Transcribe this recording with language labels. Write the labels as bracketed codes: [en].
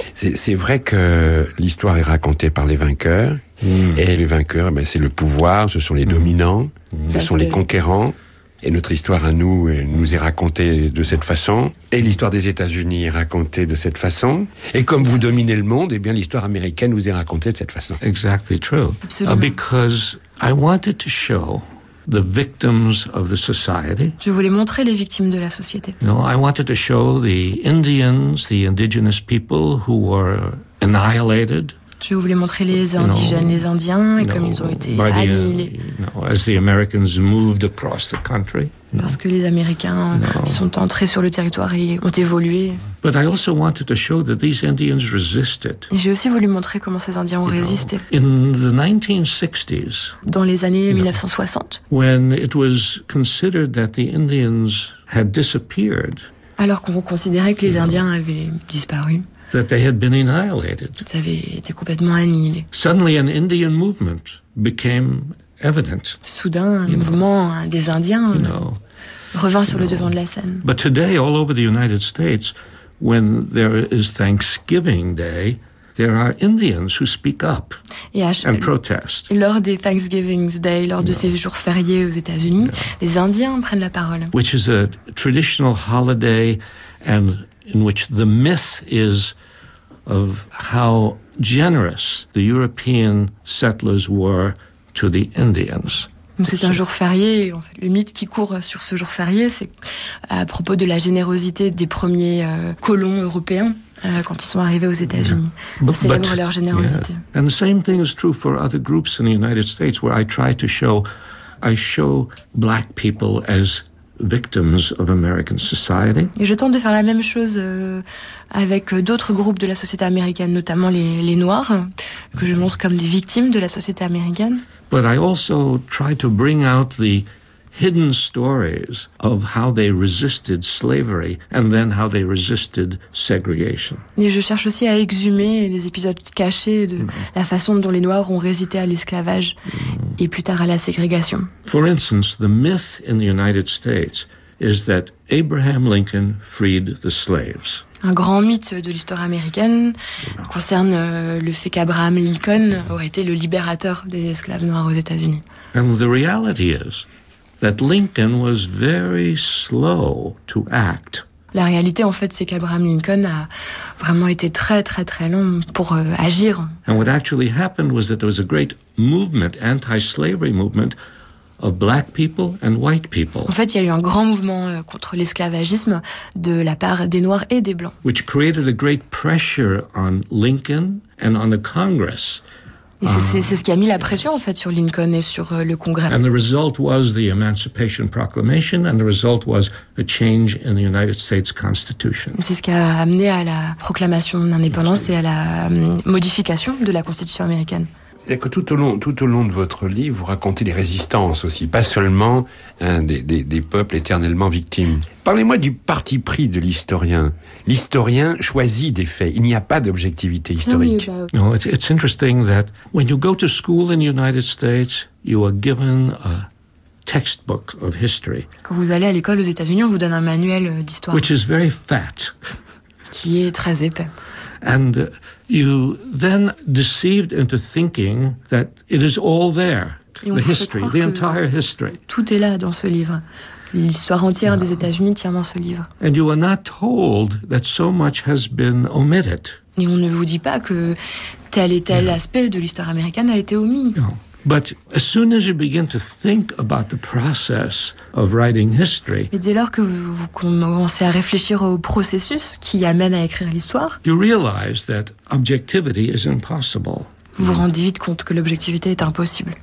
[fr] C'est vrai que l'histoire est racontée par les vainqueurs. Mm. Et les vainqueurs, ben, c'est le pouvoir, ce sont les dominants, ce sont les conquérants. Et notre histoire à nous, elle nous est racontée de cette façon. Et l'histoire des États-Unis est racontée de cette façon. Et comme vous dominez le monde, eh bien, l'histoire américaine nous est racontée de cette façon. [en] Exactly true. [fr] Absolument. [en] Because I wanted to show the victims of the society. [fr] Je voulais montrer les victimes de la société. [en] No, I wanted to show the Indians, the indigenous people who were annihilated. [fr] Je voulais montrer les indigènes, les Indiens, et comme ils ont été annihilés. [en] As the Americans moved across the country. [fr] Parce que les Américains sont entrés sur le territoire et ont évolué. [en] But I also wanted to show that these Indians resisted. [fr] J'ai aussi voulu montrer comment ces Indiens ont résisté. [en] In the 1960s. [fr] Dans les années 1960. [en] When it was considered that the Indians had disappeared. [fr] Alors qu'on considérait que les Indiens avaient disparu. [en] That they had been annihilated. [fr] Ils avaient été complètement annihilés. [en] Suddenly an Indian movement became evident. [fr] Soudain, un mouvement des Indiens revint sur le devant de la scène. [en] But today, all over the United States, when there is Thanksgiving Day, there are Indians who speak up and protest. [fr] Lors des Thanksgiving Day, lors de ces jours fériés aux États-Unis, les Indiens prennent la parole. [en] Which is a traditional holiday, and in which the myth is of how generous the European settlers were to the Indians. [fr] C'est un jour férié. En fait, le mythe qui court sur ce jour férié, c'est à propos de la générosité des premiers colons européens quand ils sont arrivés aux États-Unis. Ils célèbrent leur générosité. [en] Yeah. And the same thing is true for other groups in the United States, where I show black people as victims of American society. [fr] Et je tente de faire la même chose avec d'autres groupes de la société américaine, notamment les Noirs, que je montre comme des victimes de la société américaine. [en] But I also try to bring out the hidden stories of how they resisted slavery and then how they resisted segregation. [fr] Et je cherche aussi à exhumer les épisodes cachés de la façon dont les Noirs ont résisté à l'esclavage et plus tard à la ségrégation. [en] For instance, the myth in the United States is that Abraham Lincoln freed the slaves. [fr] Un grand mythe de l'histoire américaine concerne le fait qu'Abraham Lincoln aurait été le libérateur des esclaves noirs aux États-Unis. [en] And the reality is that Lincoln was very slow to act. [fr] La réalité, en fait, c'est qu'Abraham Lincoln a vraiment été très, très, très long pour agir. [en] And what actually happened was that there was a great movement, anti-slavery movement, of black people and white people. [fr] En fait, il y a eu un grand mouvement contre l'esclavagisme de la part des Noirs et des Blancs. [en] Which created a great pressure on Lincoln and on the Congress [fr] Et c'est ce qui a mis la pression, en fait, sur Lincoln et sur le Congrès. [en] And the result was the Emancipation Proclamation, and the result was a change in the United States Constitution. [fr] C'est ce qui a amené à la proclamation d'indépendance et à la modification de la Constitution américaine. C'est-à-dire que tout au long de votre livre, vous racontez les résistances aussi, pas seulement des peuples éternellement victimes. Parlez-moi du parti pris de l'historien. L'historien choisit des faits. Il n'y a pas d'objectivité historique. [en] No, it's interesting that when you go to school in the United States, you are given a textbook of history. [fr] Quand vous allez à l'école aux États-Unis, on vous donne un manuel d'histoire. [en] Which is very fat. [fr] Qui est très épais. [en] And you then deceived into thinking that it is all there, the history, the entire history. [fr] Tout est là dans ce livre. L'histoire entière des États-Unis tient dans ce livre. [en] And you are not told that so much has been omitted. [fr] Et on ne vous dit pas que tel et tel aspect de l'histoire américaine a été omis. [en] No. But as soon as you begin to think about the process of writing history, [fr] et dès lors que vous commencez à réfléchir au processus qui amène à écrire l'histoire, [en] you realize that objectivity is impossible. [fr] Vous vous rendez vite compte que l'objectivité est impossible.